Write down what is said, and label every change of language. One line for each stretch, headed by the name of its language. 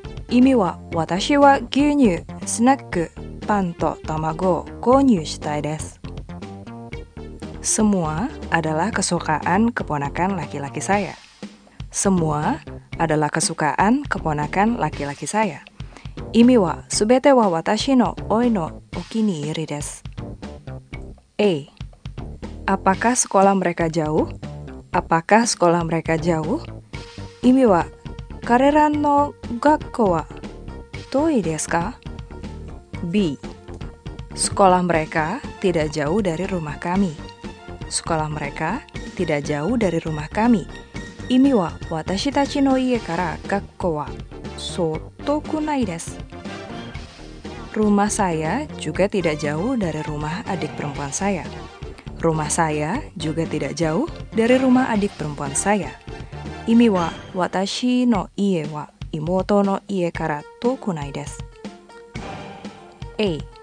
Japanese: 意味は私は牛乳、スナック、パンと卵を購入したいです。
Indonesian: Semua adalah kesukaan keponakan laki-laki saya. Semua adalah kesukaan keponakan laki-laki saya.
Japanese: 意味は全ては私の老いのお気に入りです。 A.
Indonesian: Apakah sekolah mereka jauh? Apakah sekolah mereka jauh?
Japanese: 意味は彼らの学校は遠いですか? B.
Indonesian: Sekolah mereka tidak jauh dari rumah kami. Sekolah mereka tidak jauh dari rumah kami.
Japanese: 意味は私たちの家から学校は遠くないです。
Indonesian: Rumah saya juga tidak jauh dari rumah adik perempuan saya. Rumah saya juga tidak jauh dari rumah adik perempuan saya.
Japanese: Imi wa watashi no ie wa imoto no ie kara tokunai desu. A.